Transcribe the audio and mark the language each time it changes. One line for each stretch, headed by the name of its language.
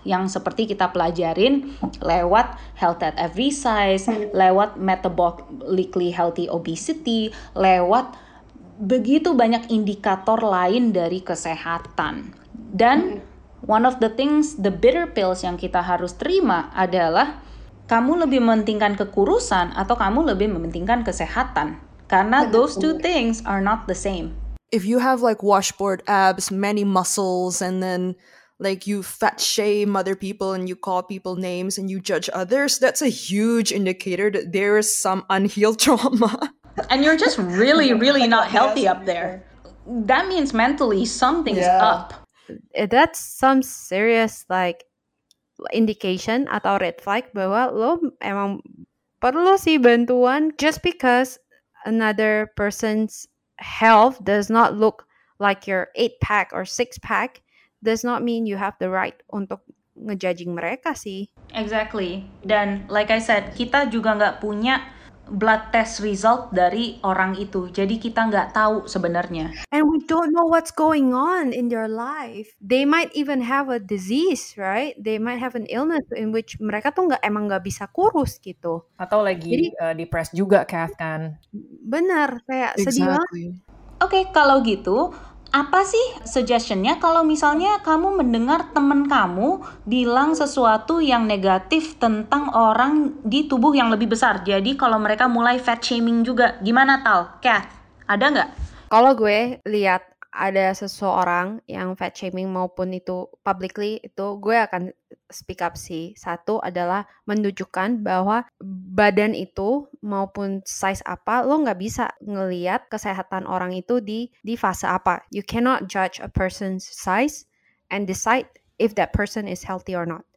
Indonesian: Yang seperti kita pelajarin lewat health at every size, lewat metabolically healthy obesity, lewat begitu banyak indikator lain dari kesehatan. Dan
English: one of the things, the bitter pills
Indonesian: yang kita harus terima adalah kamu lebih mementingkan kekurusan atau kamu lebih mementingkan kesehatan.
English: Karena those two things are not the same. If you have like washboard abs, many muscles, and then like you fat shame other people and you call people names and you judge others, that's a huge indicator that there is some unhealed trauma. And you're just really, really not healthy up there. That means mentally something's up. That's some serious like indication atau red flag
Indonesian: bahwa lo emang perlu sih bantuan.
English: Just because another person's health does not look like your 8-pack or 6-pack does not mean you have the right
Indonesian: untuk ngejudging mereka sih.
English: Exactly.
Indonesian: Dan
English: like I said,
Indonesian: kita juga nggak punya blood test result dari orang itu. Jadi kita nggak tahu sebenarnya.
English: And we don't know what's going on in their life. They might even have a disease, right? They might have an illness in which
Indonesian: mereka tuh emang nggak bisa kurus gitu. Atau lagi depressed juga, Kath, kan? Bener, kayak sedih banget. Okay, kalau gitu, apa sih suggestionnya kalau misalnya kamu mendengar teman kamu bilang sesuatu yang negatif tentang orang di tubuh yang lebih besar? Jadi kalau mereka mulai fat shaming juga, gimana Tal? Kath, ada nggak? Kalau gue lihat ada seseorang yang fat shaming maupun itu publicly, itu gue akan speak up sih. Satu adalah menunjukkan bahwa badan itu maupun size apa, lo gak bisa ngelihat kesehatan orang itu di fase apa.
English: You cannot judge a person's size and decide if that person is healthy or not.